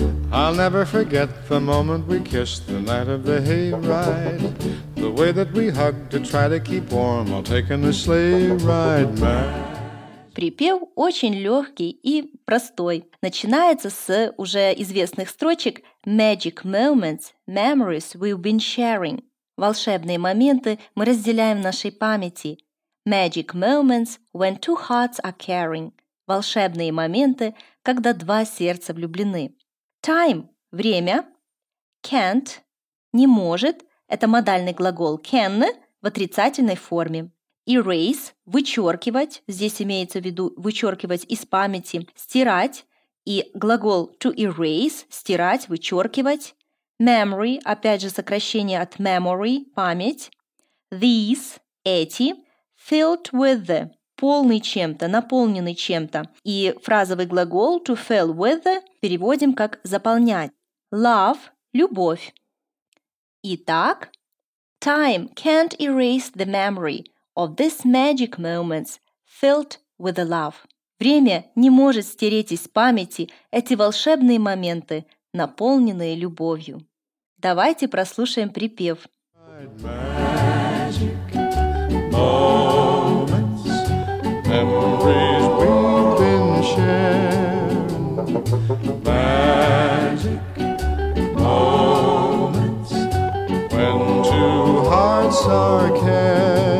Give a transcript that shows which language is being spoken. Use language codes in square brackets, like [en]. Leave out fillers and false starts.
[en] I'll never forget the moment we kissed the night of the hayride. The way that we hugged to try to keep warm while taking the sleigh ride back. [ru] Припев очень легкий и простой. Начинается с уже известных строчек [en] Magic moments, memories we've been sharing. [ru] Волшебные моменты мы разделяем в нашей памяти. [en] Magic moments when two hearts are caring. [ru] Волшебные моменты, когда два сердца влюблены. Time – время. Can't – не может. Это модальный глагол can в отрицательной форме. Erase – вычеркивать. Здесь имеется в виду вычеркивать из памяти. Стирать. И глагол to erase – стирать, вычеркивать. Memory – опять же сокращение от memory – память. These – эти. [en] Filled with [ru] – полный чем-то, наполненный чем-то. И фразовый глагол [en] to fill with [ru] переводим как заполнять. Love – любовь. [en] Итак, time can't erase the memory of these magic moments filled with love. [ru] Время не может стереть из памяти эти волшебные моменты, наполненные любовью. Давайте прослушаем припев. [en] Magic moments, memories we've been sharing. Magic moments, when two hearts are caring.